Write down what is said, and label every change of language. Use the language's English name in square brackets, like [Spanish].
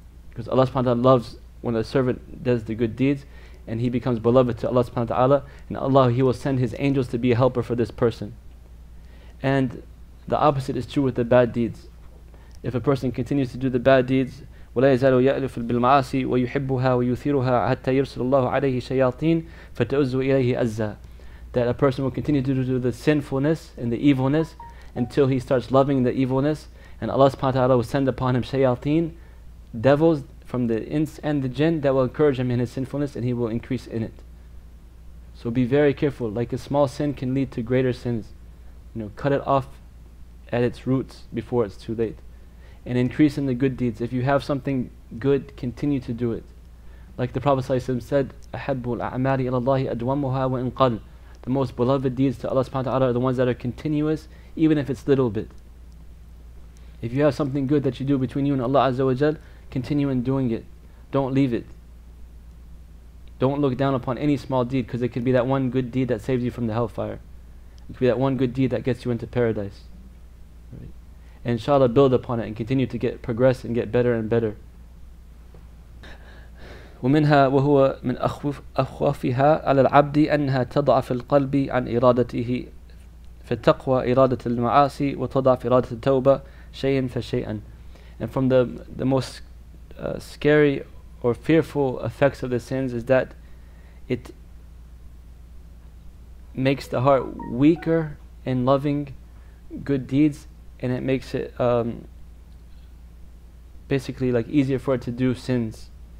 [English] Because Allah subhanahu wa ta'ala loves when a servant does the good deeds and he becomes beloved to Allah subhanahu wa ta'ala, and Allah, he will send his angels to be a helper for this person. And the opposite is true with the bad deeds. If a person continues to do the bad deeds, [Arabic] وَلَا يَزَالُ يَأْلِفُ بِالْمَعَاصِي وَيُحِبُّهَا وَيُثِيرُهَا حَتَّى يَرْسُلُ اللَّهُ عَلَيْهِ شَيَاطِينَ فَتَؤْزُوا إِلَيْهِ أَزَّا. [English] That a person will continue to do the sinfulness and the evilness until he starts loving the evilness, and Allah subhanahu wa ta'ala will send upon him shayateen, devils from the ins and the jinn, that will encourage him in his sinfulness and he will increase in it. So be very careful, like a small sin can lead to greater sins. You know, cut it off at its roots before it's too late. And increase in the good deeds. If you have something good, continue to do it. Like the Prophet ﷺ said, [Arabic] أَحَبُّ الْأَعْمَالِ إِلَى اللَّهِ أَدْوَمُهَا وَإِنْ قَلْ. [English] The most beloved deeds to Allah subhanahu wa ta'ala are the ones that are continuous, even if it's little bit. If you have something good that you do between you and Allah Azza wa Jal, continue in doing it. Don't leave it. Don't look down upon any small deed, because it could be that one good deed that saves you from the hellfire. It could be that one good deed that gets you into paradise. Inshallah, build upon it and continue to get progress and get better and better. [Arabic] ومنها وهو من أخوفها على العبد أنها تضعف القلب عن إرادته فتقوى إرادة المعاصي وتضعف إرادة التوبة شيئا فشيئا. [English] And from the most scary or fearful effects of the sins is that it makes the heart weaker in loving good deeds, and it makes it basically like easier for it to do sins.